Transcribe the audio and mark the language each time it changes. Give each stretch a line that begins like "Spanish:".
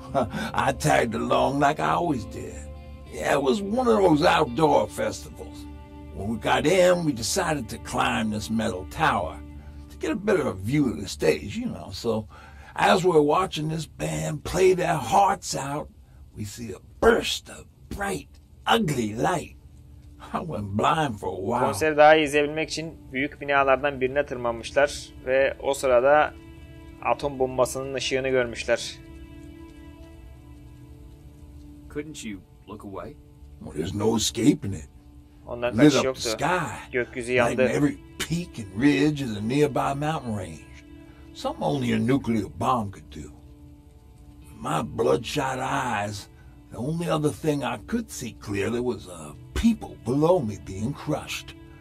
English: I tagged along like I always did. Yeah, it was one of those outdoor festivals. When we got in, we decided to climb this metal tower to get a better view of the stage, you know. So as we're watching this band play their hearts out, we see a burst of bright, ugly light. I went blind for a while.
Turkish: Konseri daha iyi izleyebilmek için büyük binalardan birine tırmanmışlar ve o sırada atom bombasının ışığını görmüşler.
English: Couldn't you look away? Well, there's no escaping it.
Turkish: Ondan kaçış yoktu. Gökyüzü yandı.
English: Like every peak and ridge is a nearby mountain range. Something only a nuclear bomb could do. My bloodshot eyes, the only other thing I could see clearly was people below me being crushed.